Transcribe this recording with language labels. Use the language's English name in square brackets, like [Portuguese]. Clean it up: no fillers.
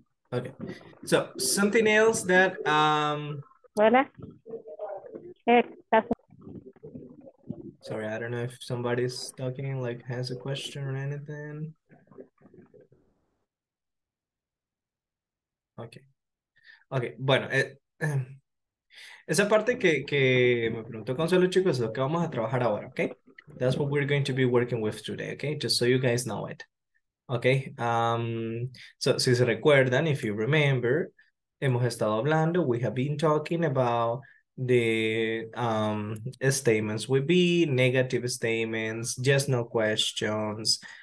[English] Okay, so something else that [Spanish] Hola. [English] sorry, I don't know if somebody's talking, like has a question or anything. [Spanish] Okay, bueno, esa parte que me preguntó Consuelo, chicos, es lo que vamos a trabajar ahora, ¿ok? [English] That's what we're going to be working with today, okay? Just so you guys know it. Okay, so [Spanish] si se recuerdan, [English] if you remember, [Spanish] hemos estado hablando, [English] we have been talking about the statements would be negative statements, just no questions,